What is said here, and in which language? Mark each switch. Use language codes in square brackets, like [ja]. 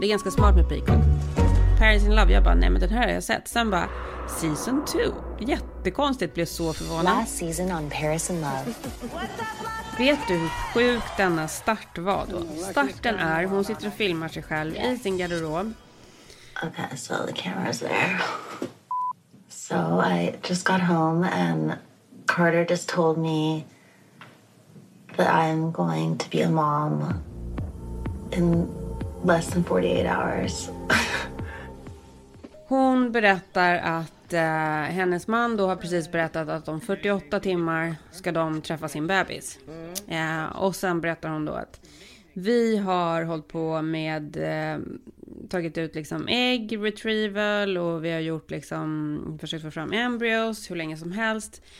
[sv] Det är ganska smart med Peacock. Paris in Love, jag bara, nej men den här har jag sett. Sen bara, season 2. Jättekonstigt, blev så förvånad. [en] Last season on Paris in Love. [sv] Vet du hur sjuk denna start var då? Starten är, hon sitter och filmar sig själv, yes, i sin garderob. [en] Okay, so the camera's there. So I just got home and Carter just told me that I'm going to be a mom in less than 48 hours. [sv] Hon berättar att hennes man då har precis berättat att om 48 timmar ska de träffa sin bebis. Och sen berättar hon då att vi har hållit på med, tagit ut liksom ägg, retrieval, och vi har gjort liksom, försökt få fram embryos hur länge som helst.